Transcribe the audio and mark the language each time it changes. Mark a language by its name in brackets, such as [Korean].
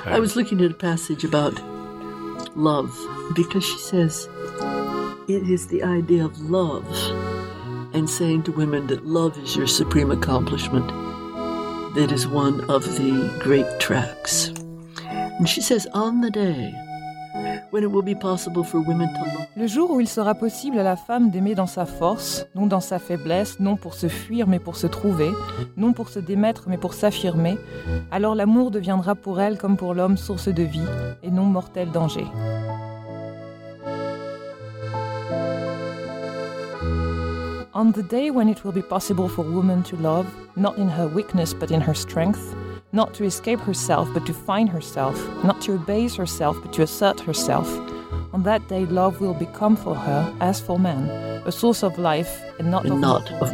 [English] I was looking at a passage about love, because she says it is the idea of love and saying to women that love is your supreme accomplishment, that is one of the great tracks. And she says, on the day when it will be possible for women to love. [French] Le jour où il sera possible à la femme d'aimer dans sa force, non dans sa faiblesse, non pour se fuir mais pour se trouver, non pour se démettre mais pour s'affirmer, alors l'amour deviendra pour elle comme pour l'homme source de vie et non mortel danger. [English] On the day when it will be possible for woman to love, not in her weakness but in her strength, not to escape herself but to find herself, not to abase herself but to assert herself, on that day love will become for her, as for man, a source of life and not of